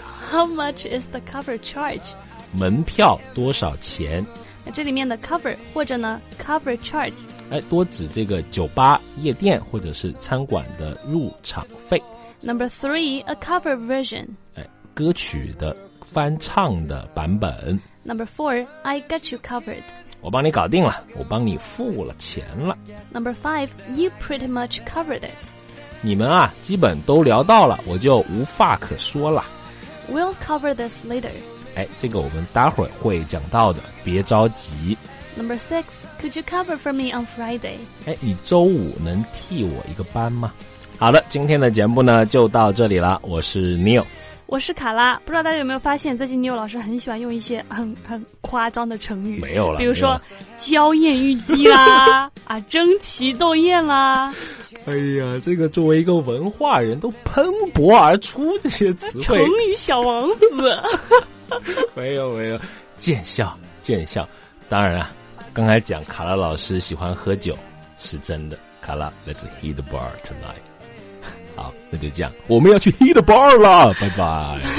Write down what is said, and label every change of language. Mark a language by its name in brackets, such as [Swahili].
[English] How much is the cover charge? [Chinese] 门票多少钱？这里面的 cover 或者呢 cover charge 多指这个酒吧夜店或者是餐馆的入场费。 [English] Number three, a cover version [Chinese] 歌曲的翻唱的版本。 [English] Number four, I got you covered, [Chinese] 我帮你搞定了，我帮你付了钱了。 [English] Number five, you pretty much covered it, [Chinese] 你们啊基本都聊到了，我就无话可说了。 [English] We'll cover this later. [Chinese] 这个我们待会儿会讲到的，别着急。 [English] Number six, could you cover for me on Friday? [Chinese] 你周五能替我一个班吗？好了，今天的节目呢就到这里了。我是 Neil，我是卡拉。不知道大家有没有发现，最近 Neil 老师很喜欢用一些很夸张的成语。没有了，比如说娇艳欲滴啦，争奇斗艳啦。哎呀，这个作为一个文化人都喷薄而出，这些词汇成语小王子。没有没有，见笑见笑。当然啊，刚才讲卡拉老师喜欢喝酒是真的。卡拉 [English] Let's hit the bar tonight。 [Chinese] 好，那就这样，我们要去 [English] hit the bar [Chinese] 了。拜拜